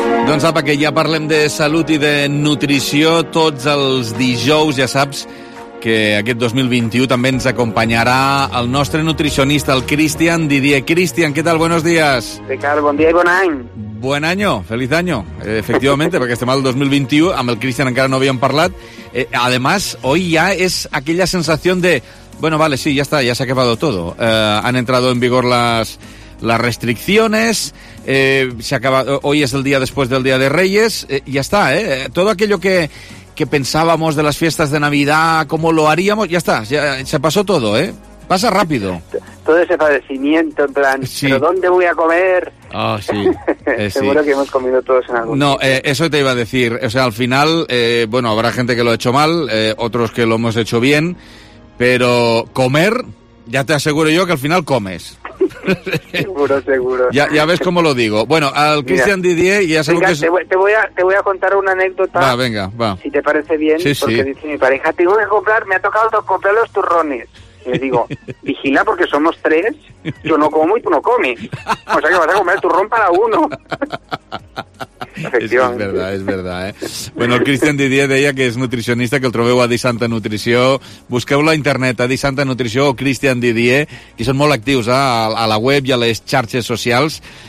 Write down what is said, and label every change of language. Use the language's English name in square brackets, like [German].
[Catalan] Doncs apa, que ja parlem de salut i de nutrició tots els dijous. Ja saps que aquest 2021 també ens acompanyarà el nostre nutricionista, el Cristian Didier. Cristian, què tal? [Spanish] Buenos días. [Catalan] Ricard, bon dia i bon any. [Spanish] Buen año, feliz año, efectivamente, [Catalan] perquè estem al 2021, amb el Christian encara no havíem parlat. [Spanish] Además, hoy ya es aquella sensación de, bueno, vale, sí, ya está, ya se ha acabado todo. Han entrado en vigor las restricciones, se acaba, hoy es el día después del Día de Reyes, ya está, ¿eh? Todo aquello que pensábamos de las fiestas de Navidad, cómo lo haríamos, ya está, ya, se pasó todo, ¿eh? Pasa rápido. Todo ese padecimiento, en plan, sí. ¿Pero dónde voy a comer? Ah, oh, sí. Seguro que hemos comido todos en algún sitio. Eso te iba a decir. O sea, al final, bueno, habrá gente que lo ha hecho mal, otros que lo hemos hecho bien, pero comer, ya te aseguro yo que al final comes. Seguro, seguro. Ya ves cómo lo digo. Bueno, al Christian Didier, ya sé que... Te voy a contar una anécdota. Va, venga, va. Si te parece bien, sí, porque sí. Dice mi pareja, tengo que comprar, me ha tocado comprar los turrones. Y le digo, vigila porque somos tres, yo no como y tú no comes. O sea que vas a comer turrón para uno. Es verdad, ¿eh? [Catalan] Bueno, el Christian Didier deia que és nutricionista, que el trobeu a Disanta Nutrició. Busqueu-lo a internet, a Disanta Nutrició o Christian Didier, que són molt actius, a la web i a les xarxes socials.